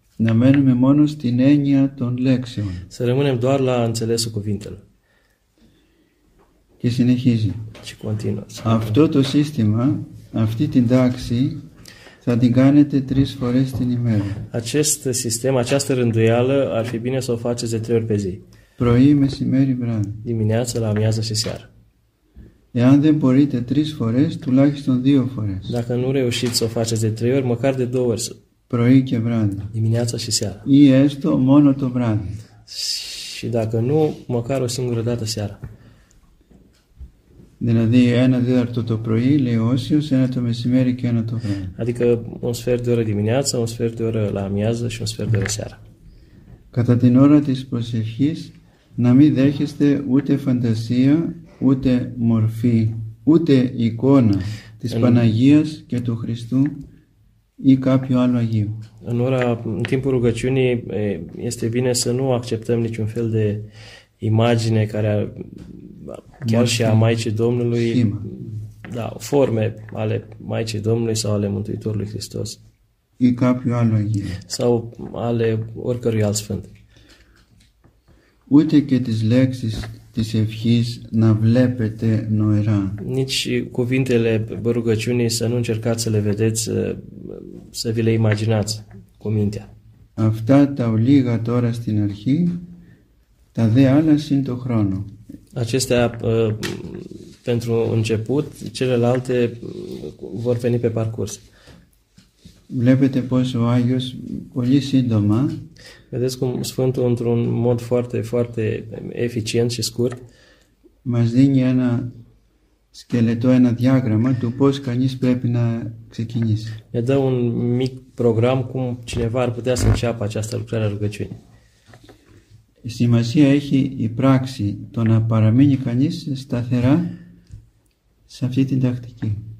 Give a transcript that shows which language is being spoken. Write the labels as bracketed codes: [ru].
[el] Να μένουμε μόνο στην έννοια των λέξεων. [ro] Să rămânem doar la înțelesul cuvintelor. [el] Και συνεχίζει. [ro] Și continuă. [el] Αυτό το σύστημα, αυτή την τάξη, θα την κάνετε τρεις φορές την ημέρα. [ro] Acest sistem, această rânduială, ar fi bine să o faceți de trei ori pe zi. [el] Πρωί, μεσημέρι, βράδυ. [ro] Dimineața, la amiază și seară. [el] Εάν δεν μπορείτε τρεις φορές, τουλάχιστον δύο φορές. [ro] Dacă nu reușiți să o faceți de trei ori, măcar de două ori. [el] Πρωί και βράδυ. [ro] Dimineața și seară. [el] Ή έστω μόνο το βράδυ. [ro] Și dacă nu, măcar o singură dată seara. [el] Δηλαδή ένα δίδαρτο το πρωί, λέει ο Όσιος, ένα το μεσημέρι και ένα το βράδυ. [ro] Adică un sfert de oră dimineața, un sfert de oră la amiază și un sfert de oră seara. [el] Κατά την ώρα της προσευχής, να μην δέχεστε ούτε φαντασία, ούτε μορφή, ούτε εικόνα της Παναγίας και του Χριστού ή κάποιου άλλου Αγίου. [ro] În ώρα, în timpul rugăciunii, este bine să nu acceptăm niciun fel de imagine care ar, chiar și a Maicii Domnului, schema. Da, forme ale Maicii Domnului sau ale Mântuitorului Hristos. [el] Ή κάποιου άλλου Αγίου. [ro] Sau ale oricărui alt sfânt. [el] Ούτε και τις λέξεις της ευχής να βλέπετε νοερά. [ro] Nici cuvintele rugăciunii să nu încercați să le vedeți, să vi le imaginați cu mintea. [el] Αυτά τα ολίγα τώρα στην αρχή, τα δε άλλα συν το χρόνο. [ro] Acestea pentru început, celelalte vor veni pe parcurs. [el] Βλέπετε πως ο Άγιος πολύ σύντομα. [ro] Vedeți cum Sfântul într-un mod foarte, foarte eficient și scurt [el] μας δίνει ένα σκελετό, ένα διάγραμμα του πως κανείς πρέπει να ξεκινήσει. [ro] Ne dă un mic program cum cineva ar putea să înceapă această lucrare a rugăciunii. [el] Σημασία έχει η πράξη το να παραμείνει κανείς σταθερά σε αυτή την τακτική.